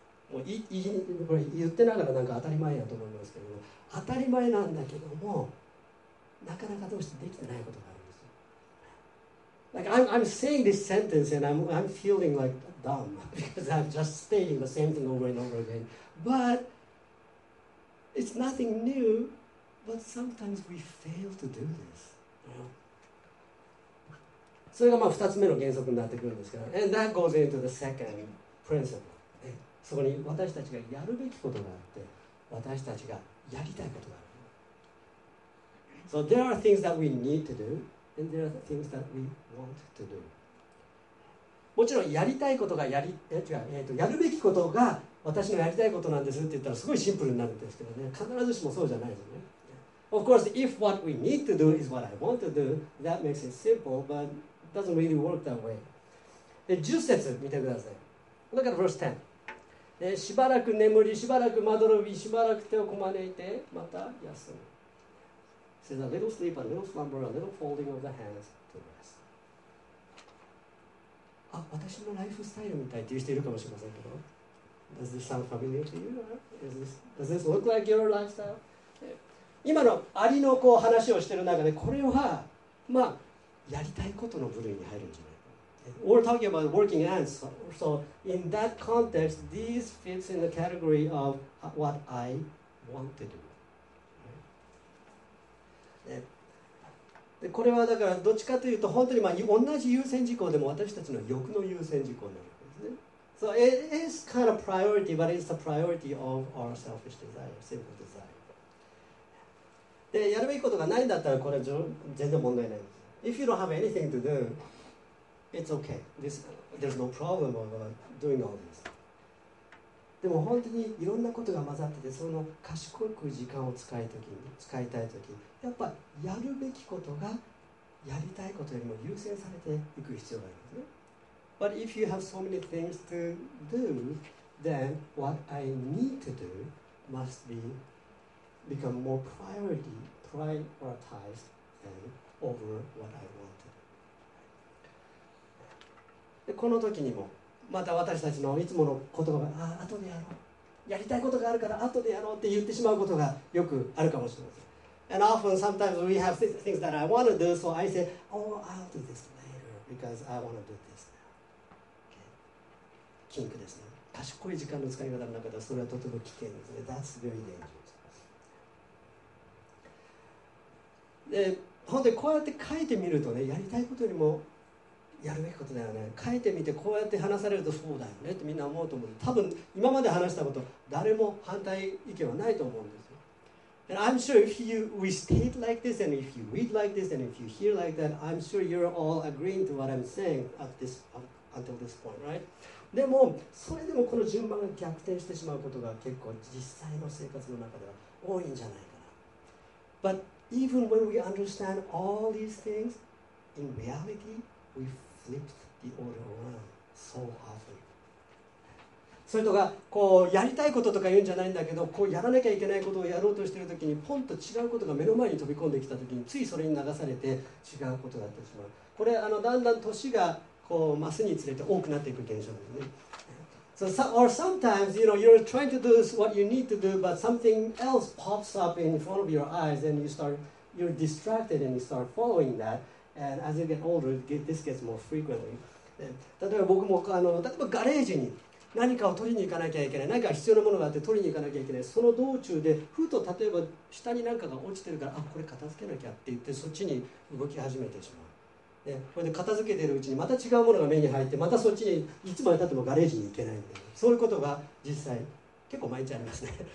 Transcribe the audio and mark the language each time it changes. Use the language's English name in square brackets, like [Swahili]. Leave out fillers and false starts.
[Japanese] もういいこれ言ってながらなんか当たり前やと思いますけど、当たり前なんだけどもなかなかどうしてできてないことがあるんですよ。 [English] Like I'm saying this sentence and I'm feeling like dumb because I'm just stating the same thing over and over again, but it's nothing new, but sometimes we fail to do this, you know? [Japanese] それが2つ目の原則になってくるんですけど、 [English] And that goes into the second principle [Japanese] そこに私たちがやるべきことがあって、私たちがやりたいことがある。 [English] So there are things that we need to do, and there are things that we want to do. [Japanese] もちろんやりたいことがやるべきことが私のやりたいことなんですって言ったらすごいシンプルになるんですけどね。必ずしもそうじゃないですよね。 [English] Of course, if what we need to do is what I want to do, that makes it simple, but it doesn't really work that way. [Japanese] 10節見てください。 [English] Look at verse 10. [Japanese] でしばらく眠り、しばらくまどろび、しばらく手をこまねいて、また休む。 [English] So a little sleep, a little slumber, a little folding of the hands to rest. [Japanese] あ、私のライフスタイルみたいっていう人いるかもしれませんけど。 [English] Does this sound familiar to you? Does this look like your lifestyle? [Japanese] 今のアリのこう話をしている中で、これは、まあ、やりたいことの部類に入るんじゃない。 [English] We're talking about working ants. So in that context, this fits in the category of what I want to do. [Japanese] でこれはだからどっちかというと本当にまあ同じ優先事項でも私たちの欲の優先事項になるんですね。 [English] So it is kind of priority, but it's the priority of our selfish desire, sinful desire. [Japanese] でやるべきことがないんだったらこれは全然問題ないんです。 [English] If you don't have anything to do,It's okay. There's no problem about doing all this. [Japanese] でも本当にいろんなことが混ざってて、その賢く時間を使いたいとき、やっぱやるべきことがやりたいことよりも優先されていく必要があるんですね。 [English] But if you have so many things to do, then what I need to do must be become more priority, prioritized than over what I want. [Japanese] でこの時にもまた私たちのいつもの言葉が、あ、後でやろう、やりたいことがあるから後でやろうって言ってしまうことがよくあるかもしれません。 [English] And often, sometimes we have things that I want to do, so I say, oh, I'll do this later because I want to do this now. Okay. [Japanese] キンクですね。賢い時間の使い方の中ではそれはとても危険ですね。 [English] That's very dangerous. [Japanese] で、本当にこうやって書いてみるとね、やりたいことにもやるべきことだよね。書いてみてこうやって話されるとそうだよねってみんな思うと思う。多分今まで話したこと誰も反対意見はないと思うんですよ。 [English] And I'm sure if you we state like this and if you read like this and if you hear like that, I'm sure you're all agreeing to what I'm saying at this until this point, right? [Japanese] でもそれでもこの順番が逆転してしまうことが結構実際の生活の中では多いんじゃないかな。 [English] But even when we understand all these things, in reality, we flip the order around so often. [Japanese] それとかこうやりたいこととか言うんじゃないんだけど、こうやらなきゃいけないことをやろうとしているときにポンと違うことが目の前に飛び込んできたときについそれに流されて違うことになってしまう。これあのだんだん年がこう増すにつれて多くなっていく現象ですね。 [English] So, or sometimes you know you're trying to do what you need to do, but something else pops up in front of your eyes, and you're distracted and you start following that. And as you get older, this gets more frequently. [Japanese] 例えば僕もあの例えばガレージに何かを取りに行かなきゃいけない、何か必要なものがあって取りに行かなきゃいけない、その道中でふと例えば下に何かが落ちてるから、あ、これ片付けなきゃって言ってそっちに動き始めてしまう。で、これで片付けてるうちにまた違うものが目に入って、またそっちにいつまでたってもガレージに行けないんで、そういうことが実際結構毎日ありますね。